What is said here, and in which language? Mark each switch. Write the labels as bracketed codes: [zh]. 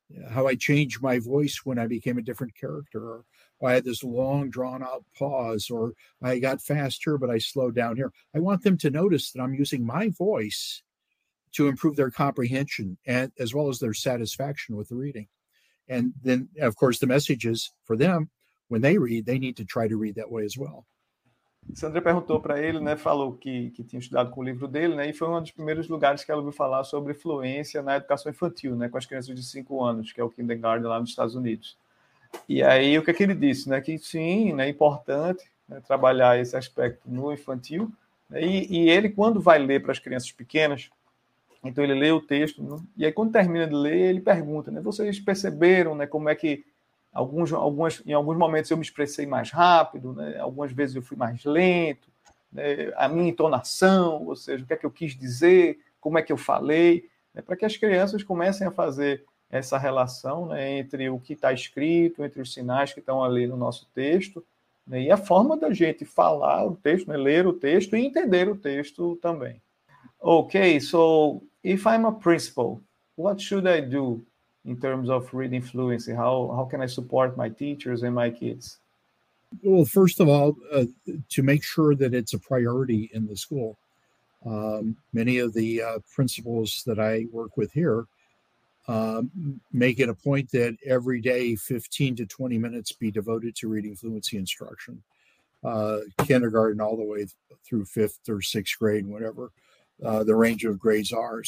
[en] How I changed my voice when I became a different character, or I had this long drawn out pause, or I got faster, but I slowed down here. I want them to notice that I'm using my voice to improve their comprehension and as well as their satisfaction with the reading. And then, of course, the message is for them, when they read, they need to try to read that way as well. [pt] Sandra perguntou para ele, né, falou que tinha estudado com o livro dele, né, e foi um dos primeiros lugares que ela ouviu falar sobre fluência na educação infantil, né, com as crianças de 5 anos, que é o kindergarten lá nos Estados Unidos. E aí, o que é que ele disse? Né, que sim, né, é importante, né, trabalhar esse aspecto no infantil. Né, e ele, quando vai ler para as crianças pequenas, então ele lê o texto, né, e aí, quando termina de ler, ele pergunta, né, vocês perceberam, né, como é que Em alguns momentos eu me expressei mais rápido, né? Algumas vezes eu fui mais lento, né? A minha entonação, ou seja, o que é que eu quis dizer, como é que eu falei, né? Para que as crianças comecem a fazer essa relação, né, entre o que está escrito, entre os sinais que estão ali no nosso texto, né, e a forma da gente falar o texto, né, ler o texto e entender o texto também. [en] Ok, so if I'm a principal, what should I do in terms of reading fluency? How can I support my teachers and my kids? Well, first of all, to make sure that it's a priority in the school, many of the principals that I work with here make it a point that every day 15 to 20 minutes be devoted to reading fluency instruction, kindergarten all the way through fifth or sixth grade, whatever the range of grades are.